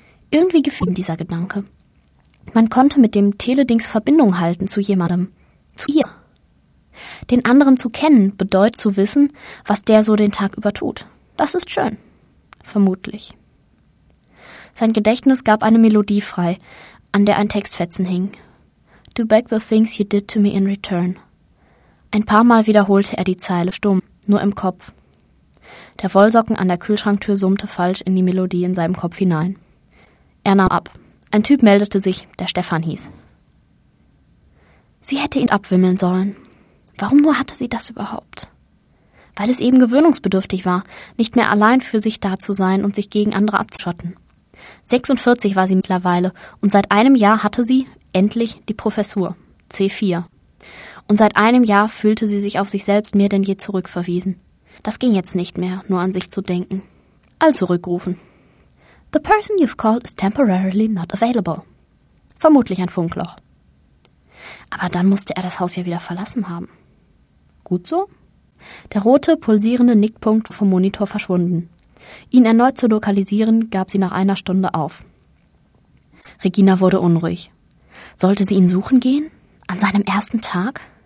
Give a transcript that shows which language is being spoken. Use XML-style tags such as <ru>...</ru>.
<de>Irgendwie gefiel ihm dieser Gedanke. Man konnte mit dem Teledings Verbindung halten zu jemandem, zu ihr. Den anderen zu kennen bedeutet zu wissen, was der so den Tag über tut. Das ist schön. Vermutlich. Sein Gedächtnis gab eine Melodie frei, an der ein Textfetzen hing.</de> <en>Do back the things you did to me in return.</en> <de>Ein paar Mal wiederholte er die Zeile stumm, nur im Kopf. Der Wollsocken an der Kühlschranktür summte falsch in die Melodie in seinem Kopf hinein. Er nahm ab. Ein Typ meldete sich, der Stefan hieß. Sie hätte ihn abwimmeln sollen. Warum nur hatte sie das überhaupt? Weil es eben gewöhnungsbedürftig war, nicht mehr allein für sich da zu sein und sich gegen andere abzuschotten. 46 war sie mittlerweile und seit einem Jahr hatte sie, endlich, die Professur, C4. Und seit einem Jahr fühlte sie sich auf sich selbst mehr denn je zurückverwiesen. Das ging jetzt nicht mehr, nur an sich zu denken. Also rückrufen.</de> <en>The person you've called is temporarily not available.</en> <de>Vermutlich ein Funkloch. Aber dann musste er das Haus ja wieder verlassen haben. Gut so? Der rote, pulsierende Nickpunkt vom Monitor verschwunden. Ihn erneut zu lokalisieren, gab sie nach einer Stunde auf. Regina wurde unruhig. Sollte sie ihn suchen gehen? An seinem ersten Tag?</de>